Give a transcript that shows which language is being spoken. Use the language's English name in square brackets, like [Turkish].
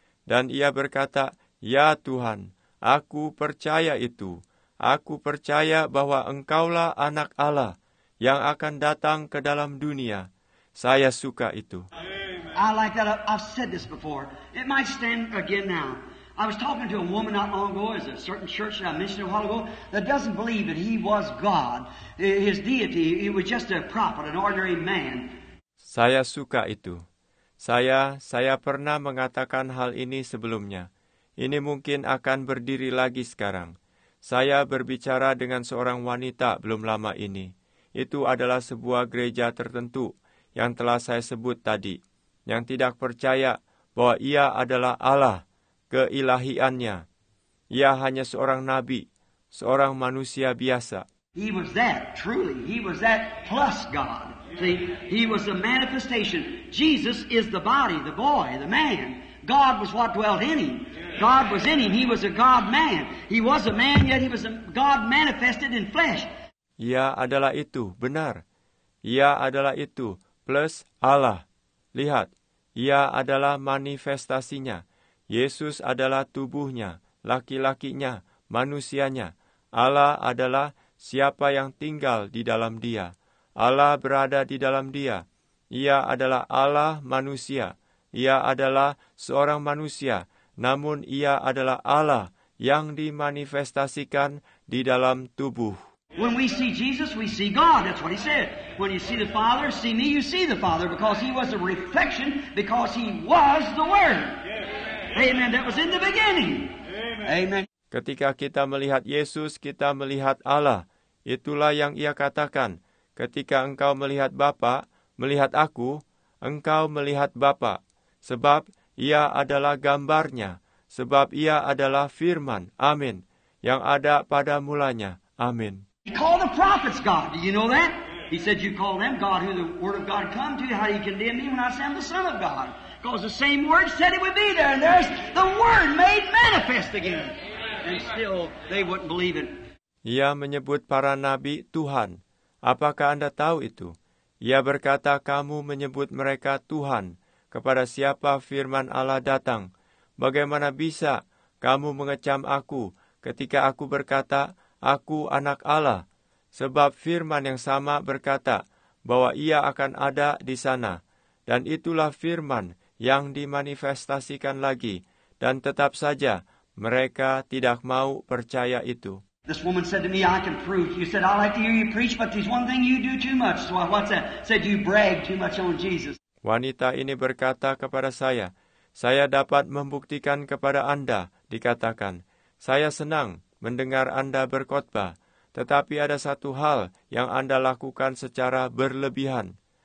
[Indonesian] Dan ia berkata, ya Tuhan, aku percaya itu. Aku percaya bahwa engkaulah anak Allah yang akan datang ke dalam dunia. Saya suka itu. [English] I like that. I've said this before. It might stand again now. I was talking to a woman not long ago, as a certain church that I mentioned a while ago, that doesn't believe that he was God, his deity, he was just a prophet, an ordinary man. [Indonesian] Saya suka itu. Saya pernah mengatakan hal ini sebelumnya. ini mungkin akan berdiri lagi sekarang. Saya berbicara dengan seorang wanita belum lama ini. Itu adalah sebuah gereja tertentu yang telah saya sebut tadi, yang tidak percaya bahwa ia adalah Allah, keilahiannya. Ia hanya seorang nabi, seorang manusia biasa. [English] He was that, truly. He was that plus God. See, he was the manifestation. Jesus is the body, the boy, the man. God was what dwelt in him. God was in him. He was a God-man. He was a man, yet he was a God manifested in flesh. [Indonesian] Ia adalah itu, benar. Ia adalah itu, plus Allah. Lihat, ia adalah manifestasinya. Yesus adalah tubuhnya, laki-lakinya, manusianya. Allah adalah siapa yang tinggal di dalam dia. Allah berada di dalam dia. Ia adalah Allah manusia. Ia adalah seorang manusia, namun ia adalah Allah yang dimanifestasikan di dalam tubuh. [English] When we see Jesus, we see God. That's what he said. When you see the Father, see me, you see the Father, because he was a reflection, because he was the Word. Amen. That was in the beginning. Amen. [Indonesian] Ketika kita melihat Yesus, kita melihat Allah. Itulah yang ia katakan. Ketika engkau melihat Bapa, melihat aku, engkau melihat Bapa. Sebab ia adalah gambarnya, sebab ia adalah firman, amin, yang ada pada mulanya, amin. [English] He called the prophets God, do you know that? He said you call them God, who the word of God come to, how do you condemn me when I say I'm the son of God? Because the same word said it would be there, and there's the word made manifest again. And still, they wouldn't believe it. [Indonesian] Ia menyebut para nabi Tuhan. Apakah Anda tahu itu? Ia berkata, kamu menyebut mereka Tuhan. Kepada siapa firman Allah datang? Bagaimana bisa kamu mengecam aku ketika aku berkata, aku anak Allah? Sebab firman yang sama berkata bahwa ia akan ada di sana. Dan itulah firman yang dimanifestasikan lagi. Dan tetap saja, mereka tidak mau percaya itu. [English] This woman said to me, I can prove. You said, I like to hear you preach, but there's one thing you do too much. So what's that? Said you brag too much on Jesus. [Indonesian] Wanita ini berkata kepada saya dapat membuktikan kepada Anda, dikatakan, saya senang mendengar Anda berkhotbah, tetapi ada satu hal yang Anda lakukan secara berlebihan.